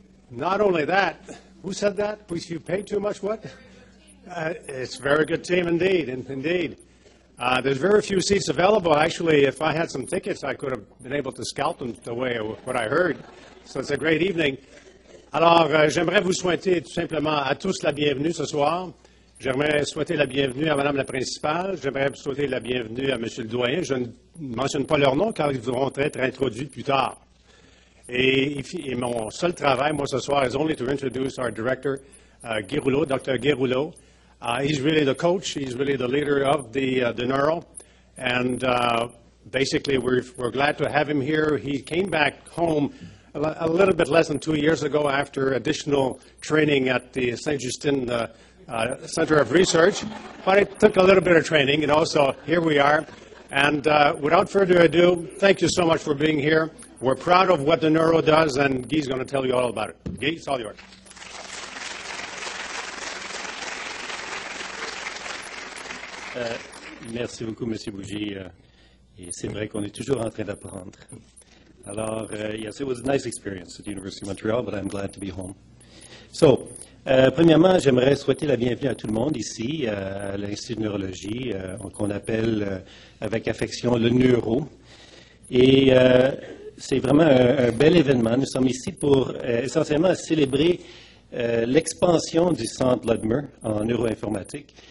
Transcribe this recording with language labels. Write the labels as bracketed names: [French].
[English] Not only that, who said that? You paid too much, what? It's a very good team indeed, indeed. There's very few seats available. Actually, if I had some tickets, I could have been able to scalp them the way of what I heard. So it's a great evening. [French] Alors, j'aimerais vous souhaiter tout simplement à tous la bienvenue ce soir. J'aimerais souhaiter la bienvenue à Madame la Principale. J'aimerais souhaiter la bienvenue à Monsieur le Doyen. Je ne mentionne pas leur nom car ils devront être introduits plus tard. Et mon seul travail, moi, ce soir, [English] is only to introduce our director, Guy Rouleau, Dr. Guy Rouleau. He's really the coach. He's really the leader of the Neuro. And basically, we're glad to have him here. He came back home a little bit less than 2 years ago after additional training at the Saint-Justin Center of Research. But it took a little bit of training, and also here we are. And without further ado, thank you so much for being here. We're proud of what the Neuro does, and Guy's going to tell you all about it. Guy, it's all yours. [French] Merci beaucoup, M. Bougie. Et c'est vrai qu'on est toujours en train d'apprendre. [English] Alors, yes, it was a nice experience at the University of Montreal, but I'm glad to be home. [French] So, premièrement, j'aimerais souhaiter la bienvenue à tout le monde ici, à l'Institut de neurologie, qu'on appelle avec affection le Neuro. Et c'est vraiment un bel événement. Nous sommes ici pour essentiellement célébrer l'expansion du Centre Ludmer en neuroinformatique.